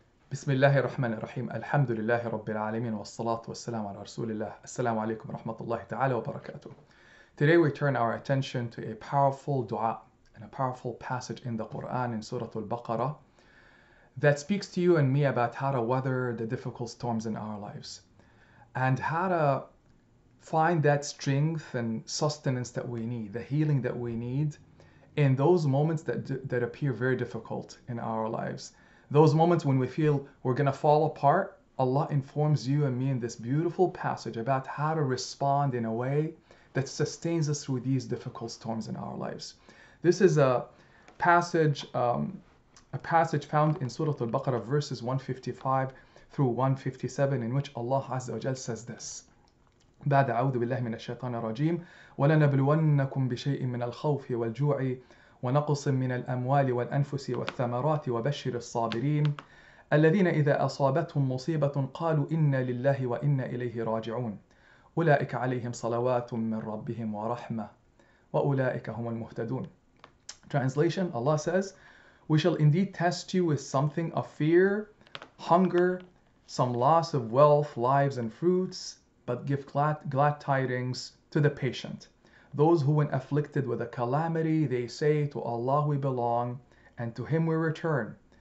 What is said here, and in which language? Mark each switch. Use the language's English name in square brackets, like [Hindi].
[Arabic] بسم الله الرحمن الرحيم، الحمد لله رب العالمين والصلاة والسلام على رسول الله. السلام عليكم ورحمة الله تعالى وبركاته. [English] Today we turn our attention to a powerful dua and a powerful passage in the Quran in Surah Al-Baqarah that speaks to you and me about how to weather the difficult storms in our lives and how to find that strength and sustenance that we need, the healing that we need in those moments that appear very difficult in our lives. Those moments when we feel we're going to fall apart, Allah informs you and me in this beautiful passage about how to respond in a way that sustains us through these difficult storms in our lives. This is a passage found in Surah Al-Baqarah, verses 155 through 157, in which Allah Azza wa Jal says this. [Arabic] بعد أعوذ بالله من الشيطان الرجيم ولنبلونكم بشيء من الخوف والجوع ونقص من الأموال والأنفس والثمرات وبشر الصابرين الذين إذا أصابتهم مصيبة قالوا إنا لله وإنا إليه راجعون أولئك عليهم صلوات من ربهم ورحمة وأولئك هم المهتدون. [English] Translation, Allah says, we shall indeed test you with something of fear, hunger, some loss of wealth, lives and fruits, but give glad tidings to the patient. Those who, when afflicted with a calamity, they say, to Allah we belong, and to Him we return.